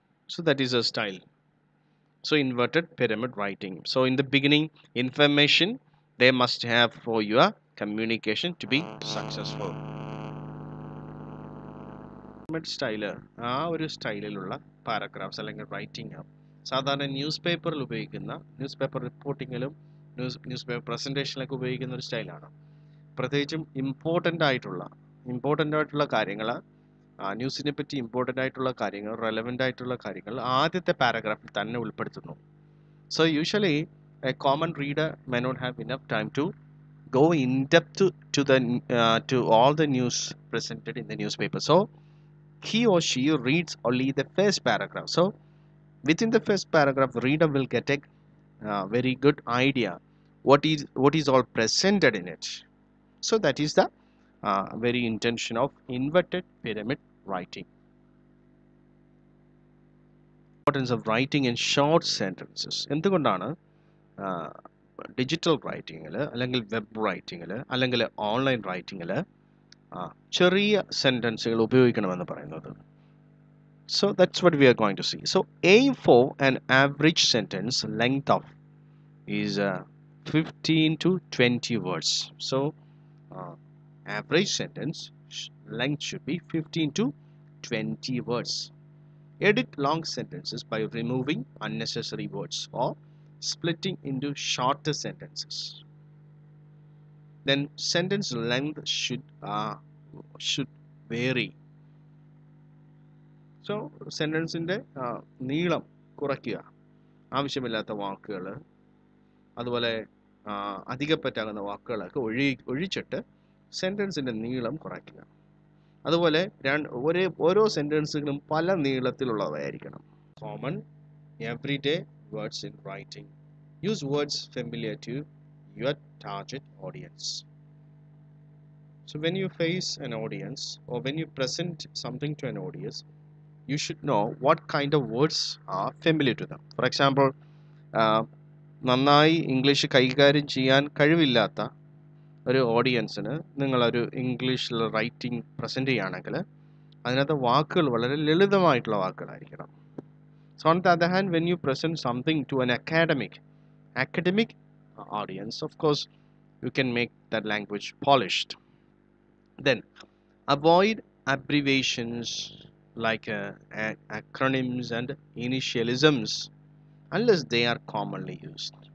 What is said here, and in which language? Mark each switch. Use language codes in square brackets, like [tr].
[en] So that is a style. So inverted pyramid writing. So in the beginning, information they must have for your communication to be successful. Pyramid style. [ml] ഒരു സ്റ്റൈലിലുള്ള [en] paragraphs [ml] അല്ലെങ്കിൽ [en] writing up. [ml] സാധാരണ news പേപ്പറിൽ ഉപയോഗിക്കുന്ന, news paper റിപ്പോർട്ടിങ്ങിലും news paper പ്രസൻറ്റേഷനിലൊക്കെ ഉപയോഗിക്കുന്ന ഒരു സ്റ്റൈലാണ്. പ്രത്യേകിച്ചും ഇമ്പോർട്ടൻ്റായിട്ടുള്ള കാര്യങ്ങൾ, ന്യൂസിനെ പറ്റി ഇമ്പോർട്ടൻ്റ് ആയിട്ടുള്ള കാര്യങ്ങൾ, റെലവൻ്റ് ആയിട്ടുള്ള കാര്യങ്ങൾ ആദ്യത്തെ പാരഗ്രാഫിൽ തന്നെ ഉൾപ്പെടുത്തുന്നു. [en] So usually a common reader may not have enough time to go in depth to all the news presented in the newspaper. So he or she reads only the first paragraph. So within the first paragraph, the reader will get a very good idea what is all presented in it. So that is the very intention of inverted pyramid writing. Importance of writing in short sentences. [ml] എന്തുകൊണ്ടാണ് digital റൈറ്റിംഗിൽ അല്ലെങ്കിൽ web റൈറ്റിംഗിൽ അല്ലെങ്കിൽ online റൈറ്റിംഗിൽ ചെറിയ സെൻറ്റൻസുകൾ ഉപയോഗിക്കണമെന്ന് പറയുന്നത്? [en] So that's what we are going to see. So aim for an average sentence length of is 15 to 20 words. So average sentence length should be 15 to 20 words. Edit long sentences by removing unnecessary words or splitting into shorter sentences. Then sentence length should vary. [ml] So സെൻറ്റൻസിൻ്റെ നീളം കുറയ്ക്കുക, ആവശ്യമില്ലാത്ത വാക്കുകൾ അതുപോലെ അധികപ്പറ്റാകുന്ന വാക്കുകളൊക്കെ ഒഴിച്ചിട്ട് സെൻറ്റൻസിൻ്റെ നീളം കുറയ്ക്കുക. അതുപോലെ ഓരോ സെൻറ്റൻസുകളും പല നീളത്തിലുള്ളവയായിരിക്കണം. [en] Common every day words in writing. Use words familiar to your target audience. So when you face an audience or when you present something to an audience, you should know what kind of words are familiar to them. For example, [ml] നന്നായി English കൈകാര്യം ചെയ്യാൻ കഴിവില്ലാത്ത ഒരു ഓഡിയൻസിന് നിങ്ങളൊരു ഇംഗ്ലീഷിൽ writing present ചെയ്യുകയാണെങ്കിൽ അതിനകത്ത് വാക്കുകൾ വളരെ ലളിതമായിട്ടുള്ള വാക്കുകളായിരിക്കണം. [en] On the other hand, when you present something to an academic audience, of course, you can make that language polished. Then, avoid abbreviations like acronyms and initialisms unless they are commonly used.